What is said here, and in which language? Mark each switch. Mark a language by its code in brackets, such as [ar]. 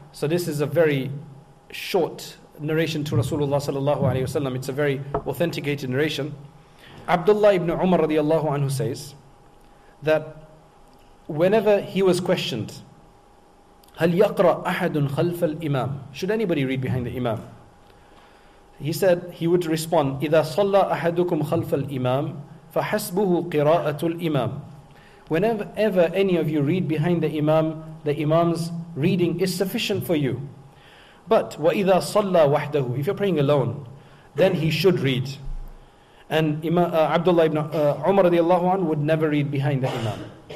[en] So this is a very short narration to Rasulullah sallallahu alayhi wasallam. It's a very authenticated narration. Abdullah ibn Umar radiallahu anhu says that whenever he was questioned, [ar] هَلْ يَقْرَأْ أَحَدٌ خَلْفَ الْإِمَامِ. [en] Should anybody read behind the imam? He said, he would respond, [ar] إِذَا صَلَّى أَحَدُكُمْ خَلْفَ الْإِمَامِ فَحَسْبُهُ قِرَاءَةُ الْإِمَامِ. [en] Whenever any of you read behind the imam, the imam's reading is sufficient for you. But [ar] وَإِذَا صَلَّى وَحْدَهُ, [en] if you're praying alone, then he should read. And Abdullah ibn Umar radiallahu anhu would never read behind the imam.